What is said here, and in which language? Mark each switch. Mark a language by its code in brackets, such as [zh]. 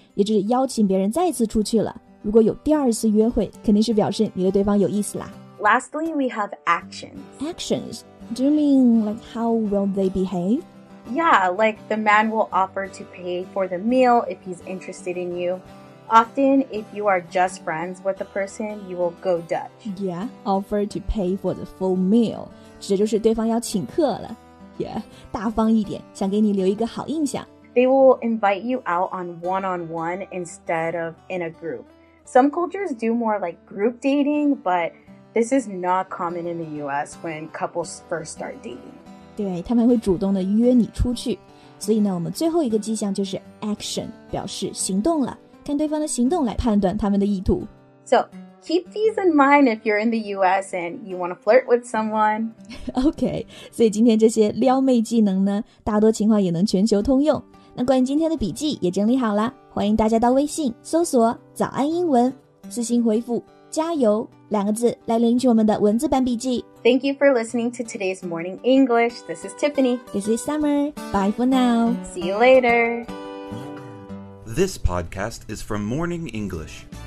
[zh] 也就是邀请别人再次出去了。如果有第二次约会，肯定是表示你对对方有意思啦。 [en] Lastly, we have actions. Actions? Do you mean like how will they behave? Yeah, like the man will offer to pay for the meal if he's interested in youOften, if you are just friends with the person, you will go Dutch. Yeah, offer to pay for the full meal. [zh] 指的就是对方要请客了。Yeah, 大方一点，想给你留一个好印象。 [en] They will invite you out on one-on-one instead of in a group. Some cultures do more like group dating, but this is not common in the U.S. when couples first start dating. [zh] 对，他们会主动的约你出去。所以呢，我们最后一个迹象就是 action, 表示行动了。看对方的行动来判断他们的意图。 [en] So, keep these in mind if you're in the US and you want to flirt with someone. [zh] Okay, 所以今天这些撩妹技能呢，大多情况也能全球通用。那关于今天的笔记也整理好了，欢迎大家到微信搜索早安英文，私信回复加油两个字来领取我们的文字版笔记。 [en] Thank you for listening to today's Morning English. This is Tiffany. This is Summer. Bye for now. See you later. This podcast is from Morning English.